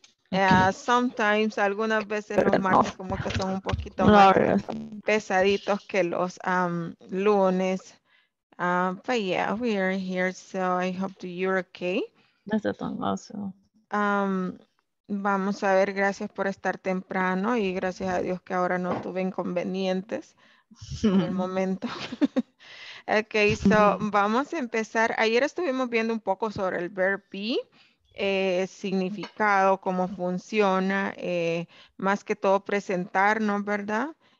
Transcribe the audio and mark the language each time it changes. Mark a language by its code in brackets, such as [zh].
[en] Yeah, sometimes, [es] algunas veces los martes como que son un poquito más pesaditos que los lunes. [en] But yeah, we are here, so I hope that you're okay. That's awesome. [es] Vamos a ver, gracias por estar temprano y gracias a Dios que ahora no tuve inconvenientes en el momento. [en] Okay, so [es] vamos a empezar. Ayer estuvimos viendo un poco sobre el verb be, significado, cómo funciona, más que todo presentarnos, ¿verdad?